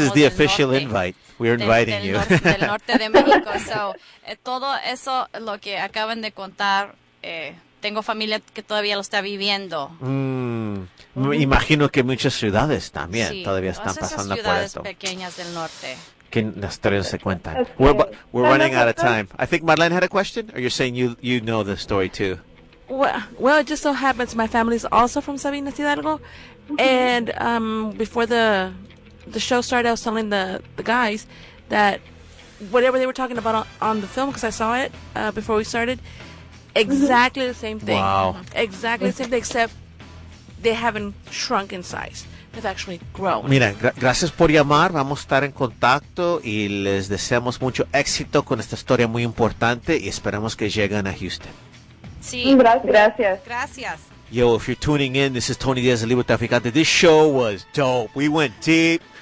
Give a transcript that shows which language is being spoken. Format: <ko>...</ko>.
<en>This is the official invite. We're inviting you.</en> <es>Del norte de México. So, todo eso, lo que acaban de contar, tengo familia que todavía lo está viviendo. Imagino que muchas ciudades también todavía están pasando por esto. Ciudades pequeñas del norte. Que las tres se cuentan.</es> <en>We're running out of time. I think Marlene had a question, or you're saying you know the story too. Well, it just so happens my family is also from Sabinas Hidalgo, and before the show started, I was telling the guys that whatever they were talking about on the film, because I saw it before we started, exactly the same thing. Wow. Exactly the same thing, except they haven't shrunk in size. It's actually grown.</en> <es>Mira, gracias por llamar. Vamos a estar en contacto y les deseamos mucho éxito con esta historia muy importante y esperamos que lleguen a Houston. Sí, gracias.</es> <en>Yo, if you're tuning in, this is Tony Diaz de Libro Traficante. This show was dope. We went deep.</en>